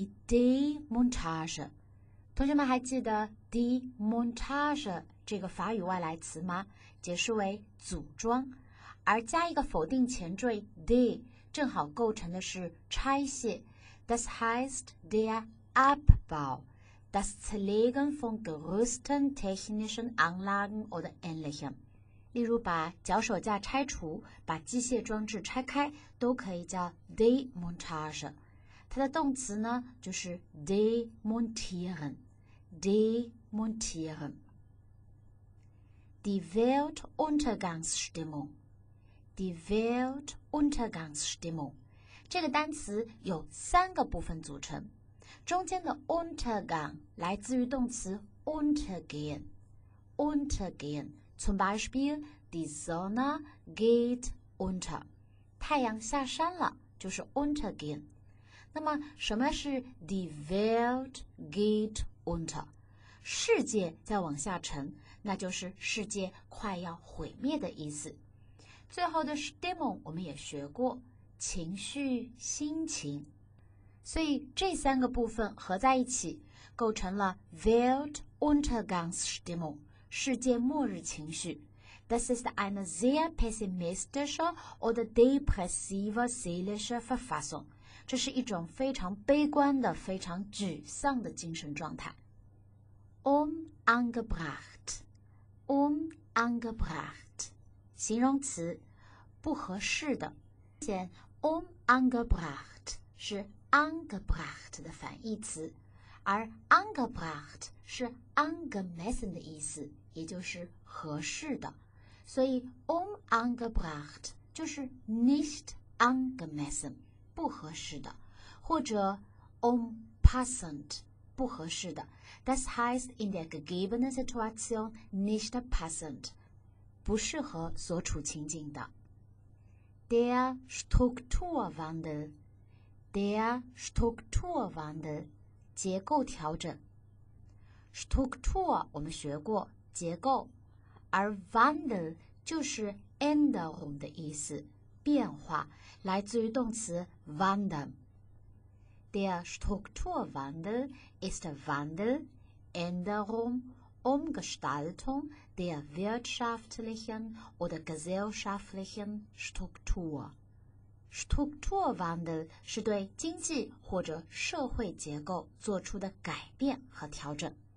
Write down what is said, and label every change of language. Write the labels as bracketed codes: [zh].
[zh] Demontage 同学们还记得 Demontage 这个法语外来词吗？解释为组装，而加一个否定前缀 de 正好构成的是拆卸。 [de] Das heißt derUbbau, das Zerlegen von Gerüsten, technischen Anlagen oder ähnlichem. [zh] 例如把脚手架拆除，把机械装置拆开，都可以叫 Demontage. 它的动词呢，就是 Demontieren. [de] Demontieren. Die Weltuntergangsstimmung. Die Weltuntergangsstimmung. [zh] 这个单词有三个部分组成。中间的 Untergang 来自于动词 Untergehen. [de] Untergehen, zum Beispiel, die Sonne geht unter. [zh] 太阳下山了就是 Untergehen. 那么什么是 [de] die Welt geht unter? [zh] 世界在往下沉，那就是世界快要毁灭的意思。最后的 Stimmung 我们也学过，情绪、心情。所以这三个部分合在一起构成了 Weltuntergangsstimmung, 世界末日情绪。 [de] Das ist eine sehr pessimistische oder depressive seelische Verfassung. [zh] 这是一种非常悲观的、非常沮丧的精神状态。 Unangebracht, 形容词，不合适的。 Unangebracht 是Angebracht 的反义词，而 Angebracht 是 angemessen 的意思，也就是合适的，所以 unangebracht 就是 [de] nicht angemessen [zh] 不合适的，或者 unpassend 不合适的。 [de] Das heißt in der gegebenen Situation nicht passend [zh] 不适合所处情境的。 [de] Der StrukturwandelDer Strukturwandel, [zh] 结构调整。 Struktur, 我们学过结构。而 Wandel 就是 Änderung 的意思，变化，来自于动词 Wandern. [de] Der Strukturwandel ist Wandel, Änderung, Umgestaltung der wirtschaftlichen oder gesellschaftlichen Struktur. [zh] Strukturwandel 是对经济或者社会结构做出的改变和调整。